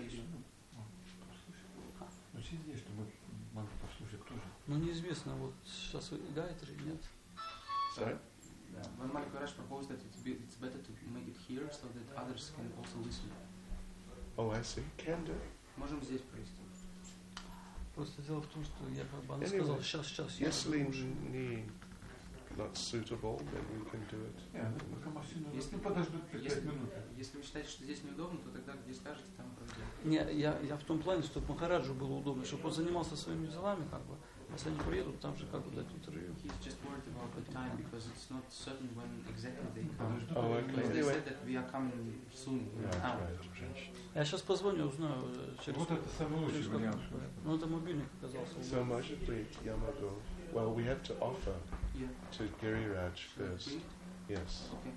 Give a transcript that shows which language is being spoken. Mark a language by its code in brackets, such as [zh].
[ru] есть. Ну, сиди, чтобы могли послушать тоже. Ну, неизвестно, вот сейчас вы играете или нет. [en] Sorry? Yeah. When Mark Garage proposed that it's better to make it here, so that others can also listen. Oh, I see. Can do. [ru] Можем здесь провести. Просто дело в том, что я как бы сказал, сейчас. Если не... [en] not suitable, then we can do it. [ru] Если подождут 5 минут. Если вы считаете, что здесь неудобно, то тогда где скажете, там проведем. Не, я в том плане, чтобы Махараджу было удобно, чтобы он занимался своими делами, как бы. Если они приедут, там же как бы дать интервью. [en] He's just worried about the time, because it's not certain when exactly they come. They said that we are coming soon. [ru] Я сейчас позвоню, узнаю через... Вот это самый лучший вариант. Ну, это мобильник оказался. [en] So much of it, [ru] я могу... [en] Well, we have to offer to Giriraj first. Yes.